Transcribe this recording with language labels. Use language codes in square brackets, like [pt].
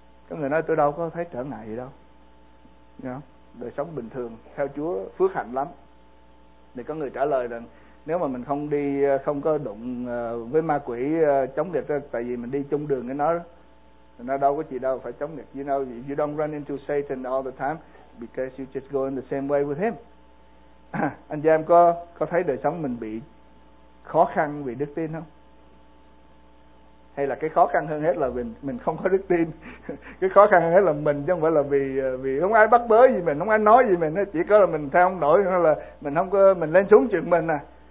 [vi] Có người nói tôi đâu có thấy trở ngại gì đâu, đời sống bình thường, theo Chúa phước hạnh lắm. Thì có người trả lời rằng nếu mà mình không đi, không có đụng với ma quỷ chống nghịch, tại vì mình đi chung đường với nó, nó đâu có gì đâu phải chống nghịch. [en] You don't run into Satan all the time because you just go in the same way with him. [vi] Anh chị em có thấy đời sống mình bị khó khăn vì đức tin không? Hay là cái khó khăn hơn hết là mình không có đức tin. Cái khó khăn hơn hết là mình, chứ không phải là vì không ai bắt bớ gì mình, không ai nói gì mình, chỉ có là mình theo không nổi, hay là mình không có, mình lên xuống chuyện mình à.